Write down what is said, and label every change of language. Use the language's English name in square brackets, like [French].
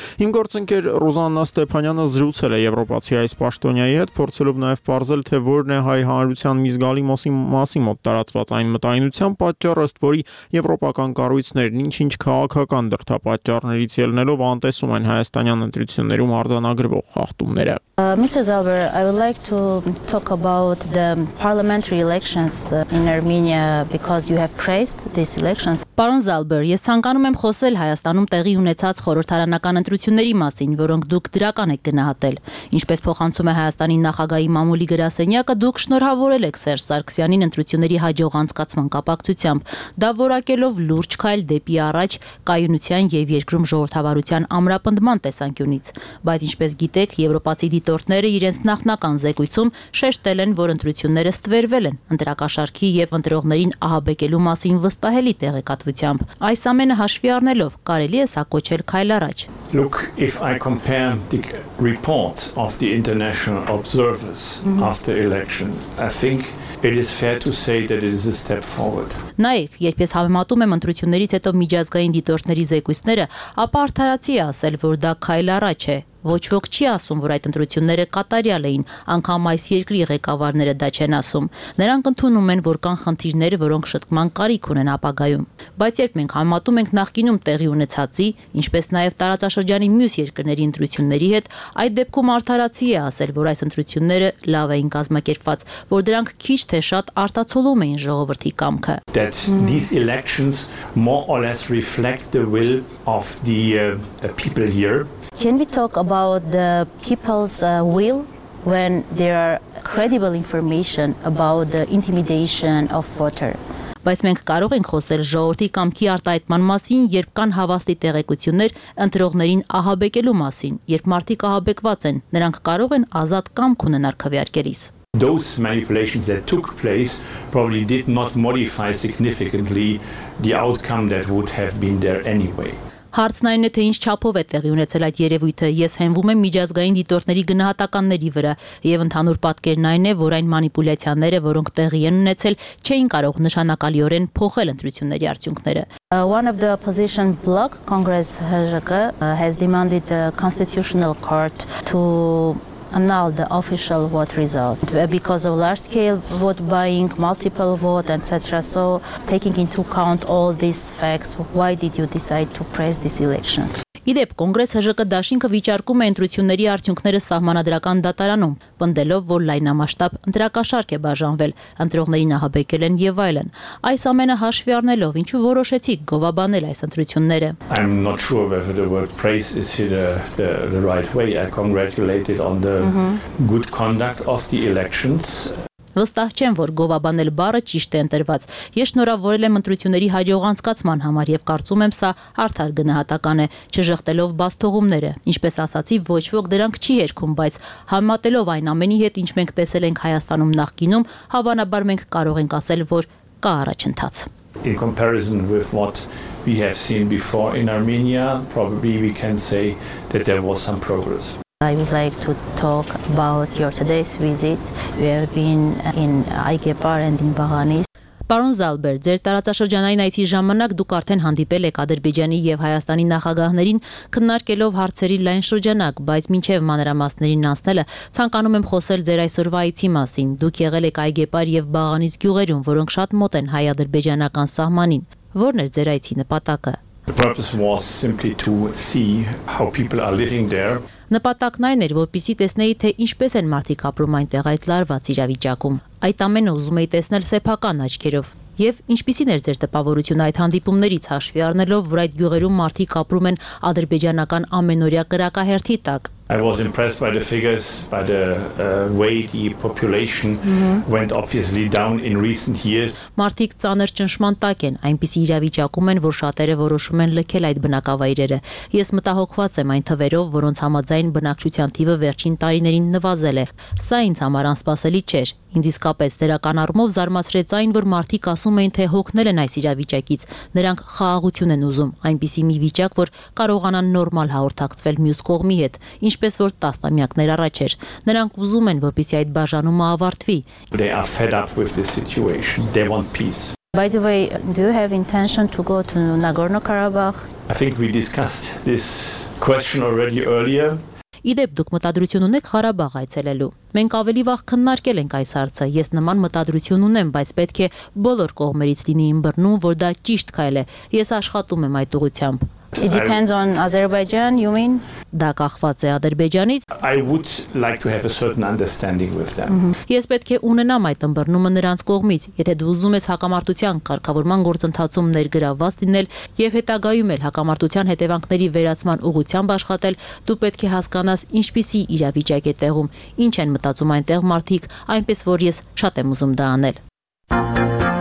[Armenian] Իմ գործընկեր Ռոզաննա Ստեփանյանը զրուցել է եվրոպացի այս պաշտոնյայի հետ, փորձելով նաև պարզել, թե որն է հայ հանրության մի զգալի մասի մոտ տարածված այն մտայնության պատճառը, ըստ որի եվրոպական կառույցներն ինչ-ինչ քաղաքական դրդապատճառներից ելնելով անտեսում են հայաստանյան ընտրություններում արձանագրվող խախտումները։ [English] Mr. Zalber, I would like to talk about the parliamentary elections in Armenia because you have praised these elections. [Armenian] Պարոն Զալբեր, ես ցանկանում եմ խոսել Հայաստանում տեղի ունեցած խորհրդարանական ընտրությունների մասին, որոնք դուք դրական եք գնահատել։ Ինչպես փոխանցում է Հայաստանի նախագահի մամուլի գրասենյակը, դուք շնորհավորել եք Սերժ Սարգսյանին ընտրությունների հաջող անցկացման կապակցությամբ, դա որակելով լուրջ քայլ դեպի առաջ կայունության և երկրում ժողովրդավարության ամրապնդման տեսանկյունից։ Բայց ինչպես գիտեք, եվրոպացի դիտորդները իրենց նախնական զեկույցում շեշտել են, որ ընտրությունները ստվերվել են ընտրակաշարքի և ընտրողներին ահաբեկելու մասին վստահելի տեղեկ կատվությամբ։ Այս ամենը հաշվի առնելով կարելի է սա կոչել քայլ առաջ։ [English] Look, if I compare the reports of the international observers after election, I think it is fair to say that it is a step forward. [Armenian] Նայեք, երբ ես համեմատում եմ ընտրություններից հետո միջազգային դիտորդների զեկույցները, ապա արդարացի է ասել, որ դա քայլ առաջ է։ Ոչ ոք չի ասում, որ այդ ընտրությունները կատարյալ էին, անգամ այս երկրի ղեկավարները դա չեն ասում։ Նրանք ընդունում են, որ կան խնդիրներ, որոնք շտկման կարիք ունեն ապագայում։ Բայց երբ մենք համատում ենք նախկինում տեղի ունեցածի, ինչպես նաև տարածաշրջանի մյուս երկրների ընտրությունների հետ, այդ դեպքում արդարացի է ասել, որ այս ընտրությունները լավ էին կազմակերպված, որ դրանք քիչ թե շատ արտացոլում էին ժողովրդի կամքը։ [English] That these elections more or less reflect the will of the people here. Can we talk about the people's will when there are credible information about the intimidation of voter? [Armenian] Բայց մենք կարող ենք խոսել ժողովրդի կամքի արտահայտման մասին, երբ կան հավաստի տեղեկություններ ընտրողներին ահաբեկելու մասին, երբ մարդիկ ահաբեկված են, նրանք կարող են ազատ կամք ունենալ քվեարկելիս։ [English] Those manipulations that took place probably did not modify significantly the outcome that would have been there anyway. [Armenian] Հարցն այն է, թե ինչ չափով է տեղի ունեցել այդ երևույթը։ Ես հենվում եմ միջազգային դիտորդների գնահատականների վրա, և ընդհանուր պատկերն այն է, որ այն մանիպուլյացիաները, որոնք տեղի են ունեցել, չէին կարող նշանակալիորեն փոխել ընտրությունների արդյունքները։ [English] One of the opposition bloc, Congress ՀՀԿ, has demanded the constitutional court to annul the official vote result because of large-scale vote buying, multiple vote, etc. So, taking into account all these facts, why did you decide to press these elections? [Armenian] Իդեպ, Կոնգրես ՀՀԿ դաշինքը վիճարկում է ընտրությունների արդյունքները սահմանադրական դատարանում, պնդելով, որ լայնամասշտաբ ընտրակաշարք է բաժանվել, ընտրողներին ահաբեկել են և այլն։ Այս ամենը հաշվի առնելով, ինչու որոշեցիք գովաբանել այս ընտրությունները։ [English] I'm not sure whether the word praise is here the right way. I congratulated on the good conduct of the elections. [Armenian] Վստահ չեմ, որ գովաբանել բառը ճիշտ է ընտրված։ Ես շնորհավորել եմ ընտրությունների հաջող անցկացման համար և կարծում եմ, սա արդար գնահատական է, չժխտելով բաց թողումները։ Ինչպես ասացի, ոչ ոք դրանք չի երգում, բայց համատելով այն ամենի հետ, ինչ մենք տեսել ենք Հայաստանում նախկինում, հավանաբար մենք կարող ենք ասել, որ կա առաջընթաց։ [English] In comparison with what we have seen before in Armenia, probably we can say that there was some progress. I would like to talk about your today's visit. You have been in Aygepar and in Baghanis. [Armenian] Պարոն Զալբեր, ձեր տարածաշրջանային այցի ժամանակ դուք արդեն հանդիպել եք Ադրբեջանի եւ Հայաստանի նախագահներին, քննարկելով հարցերի լայն շրջանակ, բայց մինչև մանրամասներին անցնելը ցանկանում եմ խոսել ձեր այսօրվա այցի մասին։ Դուք եղել եք Այգեպար եւ Բաղանից գյուղերում, որոնք շատ մոտ են հայ-ադրբեջանական սահմանին։ Որն էր ձեր այցի նպատակը? [English] The purpose was simply to see how people are living there. [Armenian] Նպատակն այն էր, որպեսզի տեսնեի, թե ինչպես են մարդիկ ապրում այնտեղ այդ լարված իրավիճակում։ Այդ ամենը ուզում էի տեսնել սեփական աչքերով։ Եվ ինչպիսին էր ձեր տպավորությունը այդ հանդիպումներից հաշվի առնելով, որ այդ գյուղերում մարդիկ ապրում են ադրբեջանական ամենօրյա կրակահերթի տակ։ [English] I was impressed by the figures, by the way the population went obviously down in recent years. [Armenian] Մարդիկ ծանր ճնշման տակ են, այնպիսի իրավիճակում են, որ շատերը որոշում են լքել այդ բնակավայրերը։ Ես մտահոգված եմ այն թվերով, որոնց համաձայն բնակչության թիվը վերջին տարիներին նվազել է։ Սա ինձ համար անսպասելի չէր։ Ինձ իսկապես դրական առումով զարմացրեց այն, որ մարդիկ ասում էին, թե հոգնել են այս իրավիճակից, նրանք խաղաղություն են ուզում, այնպիսի մի վիճակ, որ կարողանան նորմալ հաղորդակցվել մյուս կողմի հետ, ինչպես որ տասնամյակներ առաջ էր։ Նրանք ուզում են, որպեսզի այդ բաժանումը ավարտվի։ [English] They are fed up with the situation. They want peace. By the way, do you have intention to go to Nagorno-Karabakh? I think we discussed this question already earlier. [Armenian] Իդեպ դուք մտադրություն ունեք Ղարաբաղ այցելելու։ Մենք ավելի վաղ քննարկել ենք այս հարցը։ Ես նման մտադրություն ունեմ, բայց պետք է բոլոր կողմերից լինի ըմբռնում, որ դա ճիշտ քայլ է։ Ես աշխատում եմ այդ ուղությամբ։ [English] It depends on Azerbaijan, you mean? [Armenian] Դա կախված է Ադրբեջանից։ [English] I would like to have a certain understanding with them. [Armenian] Ես պետք է ունենամ այդ ըմբռնումը նրանց կողմից, եթե դու ուզում ես հակամարտության կարգավորման գործընթացում ներգրավված լինել եւ հետագայում էլ հակամարտության հետևանքների վերացման ուղղությամբ աշխատել, դու պետք է հասկանաս ինչպիսի իրավիճակ է տեղում, ինչ են մտածում այնտեղ մարդիկ, այնպես որ ես շատ եմ ուզում դա անել։